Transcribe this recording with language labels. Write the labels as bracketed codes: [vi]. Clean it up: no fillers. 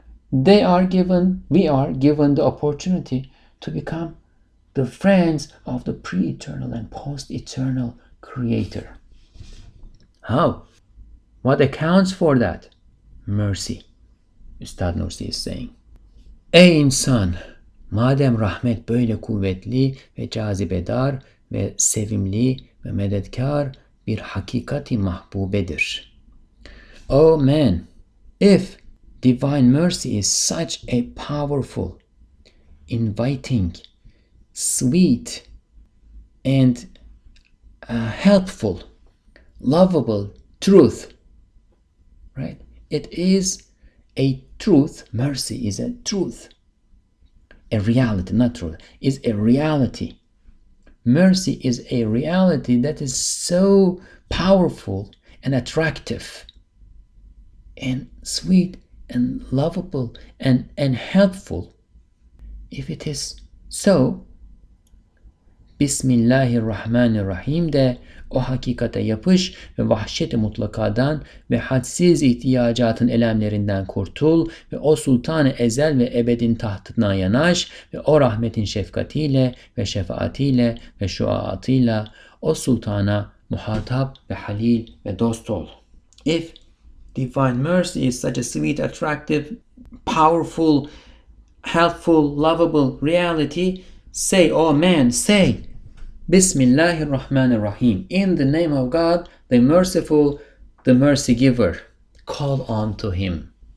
[en] We are given the opportunity to become the friends of the pre-eternal and post-eternal creator. How? What accounts for that? Mercy, Üstad Nursi is saying. [tr] Ey insan, madem rahmet böyle kuvvetli ve cazibedar ve sevimli ve mededkar bir hakikati mahbubedir. [en] O man, if divine mercy is such a powerful, inviting, sweet, and helpful, lovable truth, right? It is a truth. Mercy is a truth, a reality, not truth, is a reality. Mercy is a reality that is so powerful and attractive and sweet and lovable and helpful. If it is so, [tr] Bismillahirrahmanirrahim de o hakikate yapış ve vahşet-i mutlakadan ve hadsiz ihtiyacatın elemlerinden kurtul ve o sultan-ı ezel ve ebedin tahtına yanaş ve o rahmetin şefkatiyle ve şefaatiyle ve şuaatıyla o sultana muhatab bi halil ve dost ol. [en] If divine mercy is such a sweet, attractive, powerful, helpful, lovable reality, say, O man, say, Bismillahir Rahmanir Rahim, in the name of God, the merciful, the mercy giver, call on to him.